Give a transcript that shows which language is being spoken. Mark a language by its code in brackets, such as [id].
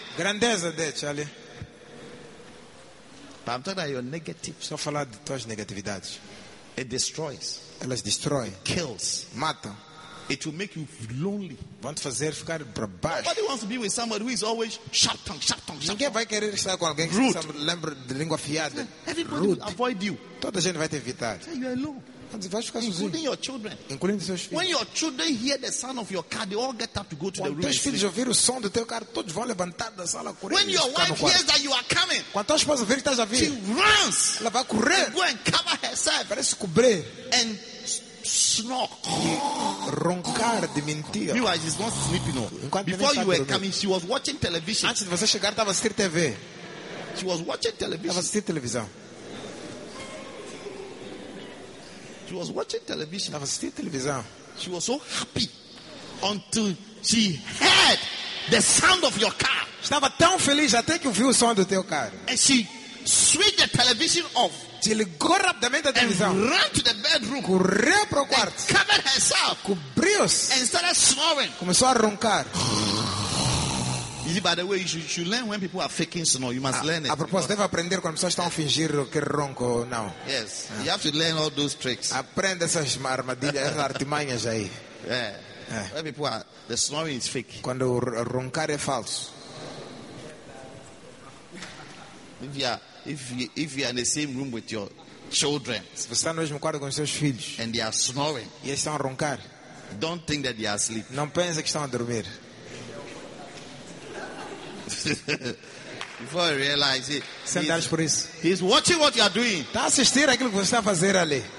[en] Grandeza, dear Charlie. But I'm talking about your negative. [pt] Só falar de tuas negatividades. [en] It destroys. [pt] Elas destroem. [en] It kills. [pt] Mata. [en] It will make you lonely. [pt] Vão te fazer ficar para baixo. [en] Nobody wants to be with somebody who is always sharp tongue, sharp tongue, sharp tongue. [pt] Ninguém vai querer estar com alguém que lembra de língua afiada. [en] Everybody will avoid you. [pt] Toda a gente vai te evitar. [en] Say you are alone. [pt] Vai ficar sozinho. [en] Including your children. [pt] Incluindo seus filhos. [en] When your children hear the sound of your car, they all get up to go to [pt] quando [en] the room. [pt] Quando teus filhos ouvirem o som do teu carro, todos vão levantar da sala correr. [en] When your wife hears that you are coming, [pt] quando tua esposa ouvir que estás a vir, [en] she runs. [pt] Ela vai correr. [en] Go and cover herself. [pt] Parece cobrir. [en] And snork. [pt] Roncar de mentira. [en] Meanwhile, she's not sleeping. Before you were coming, she was watching television. [pt] Antes de você chegar, estava assistir TV. [en] She was watching television. [pt] Estava assistir televisão. [en] She was watching television. [pt] Estava assistir televisão. [en] She was so happy until she heard the sound of your car. [pt] Estava tão feliz até que ouviu o som do teu carro. [en] And she switched the television off. [pt] Se ligou rapidamente a televisão. [en] Ran to the bedroom. [pt] Correu para o quarto. [en] And covered herself. [pt] Cobriu-se. [en] And started snoring. [pt] Começou a roncar. [en] You see, by the way, you should learn when people are faking snore. You must learn it. [pt] A propósito, deve aprender quando as pessoas estão a fingir que ronco ou não. [en] Yes. You have to learn all those tricks. [pt] Aprenda essas armadilhas, essas artimanhas aí. [en] Yeah. When people are, the snoring is fake. [pt] Quando o roncar é falso. [en] If you are in the same room with your children, [pt] se você está no mesmo quarto com os seus filhos, [en] and they are snoring, [pt] e eles estão a roncar, [en] don't think that they are asleep. [pt] Não pense que estão a dormir. [en] Before I realize it, [pt] sentares por isso. [en] He's watching what you are doing. [pt] Está a assistir aquilo que você está a fazer ali.